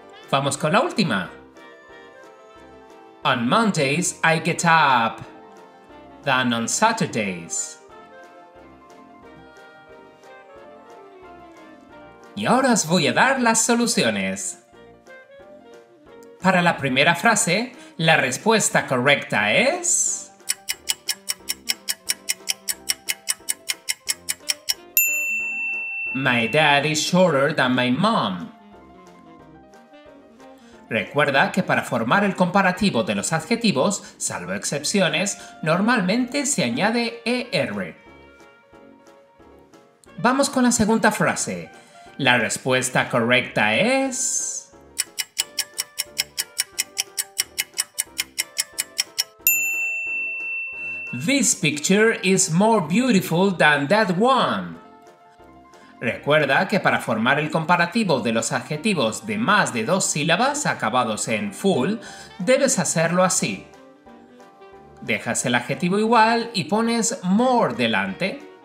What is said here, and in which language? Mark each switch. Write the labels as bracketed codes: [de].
[es] Vamos con la última. [en] On Mondays I get up than on Saturdays. [es] Y ahora os voy a dar las soluciones. Para la primera frase, la respuesta correcta es... [en] My dad is shorter than my mom. [es] Recuerda que para formar el comparativo de los adjetivos, salvo excepciones, normalmente se añade er. Vamos con la segunda frase. La respuesta correcta es... [en] This picture is more beautiful than that one. [es] Recuerda que para formar el comparativo de los adjetivos de más de dos sílabas acabados en full, debes hacerlo así. Dejas el adjetivo igual y pones more delante.